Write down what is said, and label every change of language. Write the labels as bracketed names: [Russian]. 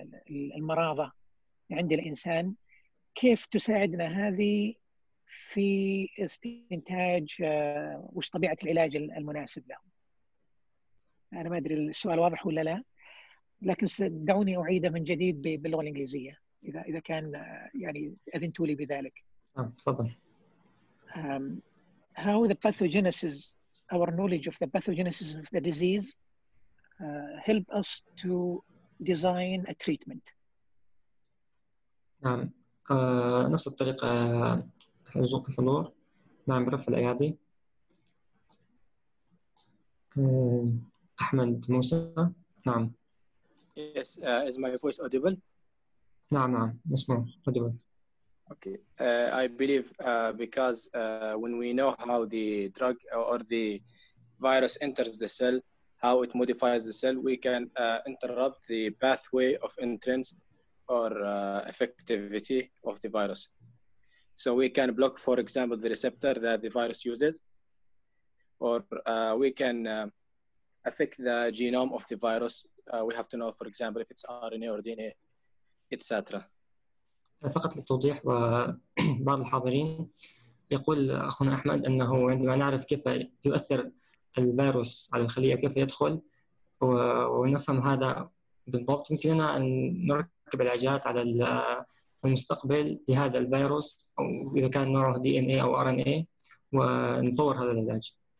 [Arabic] المرضى عند الإنسان، كيف تساعدنا هذه في استنتاج وش طبيعة العلاج المناسب له؟ أنا ما أدري السؤال واضح ولا لا، لكن دعوني أعيده من جديد باللغة الإنجليزية إذا كان يعني أذنتوا لي بذلك. تفضل. [English] How the pathogenesis, our knowledge of the pathogenesis of the disease help us to design a treatment. [Arabic] نعم، نفس الطريقة حزوق الحضور. نعم، برفع الأيادي. أحمد موسى. نعم. [English] Yes, is my voice audible? [Arabic] نعم، نسمع audible. [English] Okay, I believe because when we know how the drug or the virus enters the cell, how it modifies the cell, we can interrupt the pathway of entrance or effectivity of the virus. So we can block, for example, the receptor that the virus uses, or we can affect the genome of the virus. We have to know, for example, if it's RNA or DNA, etc. [Arabic] فقط للتوضيح وبعض الحاضرين، يقول أخونا أحمد أنه عندما نعرف كيف يؤثر الفيروس على الخلية كيف يدخل ونفهم هذا بالضبط، يمكننا أن نركب العجلات على المستقبل لهذا الفيروس، أو إذا كان نوعه DNA أو RNA، ونطور هذا العلاج.